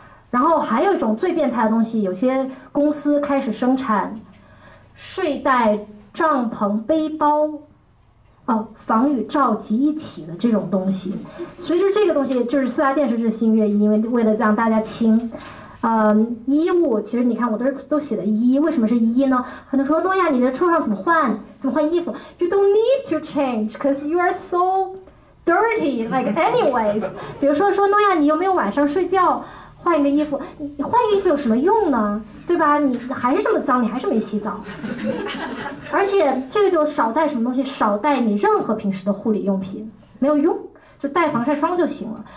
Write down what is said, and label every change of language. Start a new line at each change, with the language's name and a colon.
Chinese: 然后还有一种最变态的东西，有些公司开始生产睡袋、帐篷、背包，防雨罩集一体的这种东西。所以就这个东西，就是四大件是日新月异，因为了让大家轻。衣物其实你看我都写的衣，为什么是衣呢？很多说诺亚你在车上怎么换衣服？
English: You don't need to change because you are so dirty like anyways。
Chinese: 比如说诺亚你有没有晚上睡觉换一个衣服，你换一个衣服有什么用呢？对吧，你还是这么脏，你还是没洗澡。而且这个就少带什么东西，少带你任何平时的护理用品，没有用，就带防晒霜就行了。